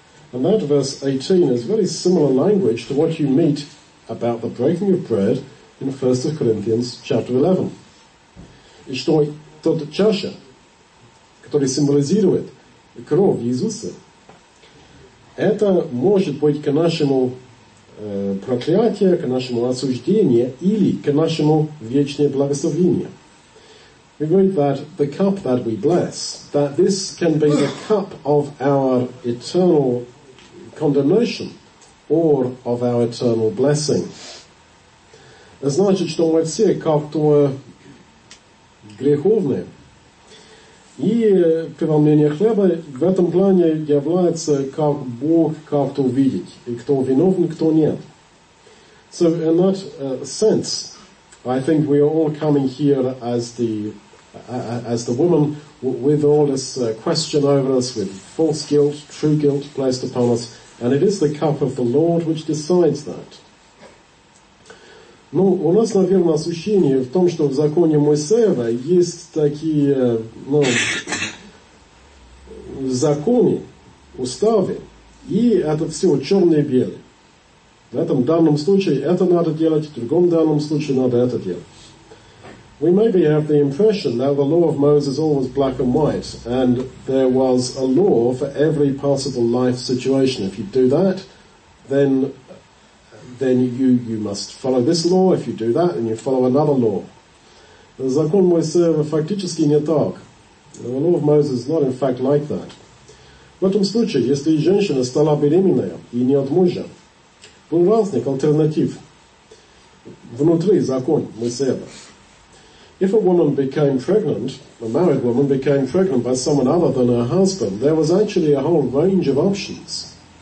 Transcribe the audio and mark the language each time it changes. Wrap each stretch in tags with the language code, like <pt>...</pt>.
<en>And that verse 18 is very similar language to what you meet about the breaking of bread in 1 Corinthians chapter 11.</en> <ru>И что тот чаша, который символизирует кровь Иисуса, это может быть к нашему проклятию, к нашему осуждению или к нашему вечному благословению.</ru> <en>We read that the cup that we bless, that this can be the cup of our eternal condemnation or of our eternal blessing.</en> <ru>Значит, что мы все как-то греховные. И преломление хлеба в этом плане является как Бог как-то видеть, и кто виновен, кто нет.</ru> <en>So in that sense, I think we are all coming here as the woman with all this question over us, with false guilt, true guilt placed upon us. And it is the cup of the Lord which decides that.</en> <ru>Ну, у нас, наверное, ощущение в том, что в законе Моисеева есть такие, ну, законы, уставы, и это все черное-белое. В этом данном случае это надо делать, в другом данном случае надо это делать.</ru> <en>We maybe have the impression that the law of Moses always black and white, and there was a law for every possible life situation. If you do that, then you must follow this law. If you do that, then you follow another law.</en> <ru>Закон Моисеева фактически не так.</ru> <en>The law of Moses is not in fact like that.</en> <ru>В этом случае, если женщина стала беременная и не от мужа, был разник альтернатив внутри закон Моисеева.</ru> <en>If a woman became pregnant, a married woman became pregnant by someone other than her husband, there was actually a whole range of options.</en>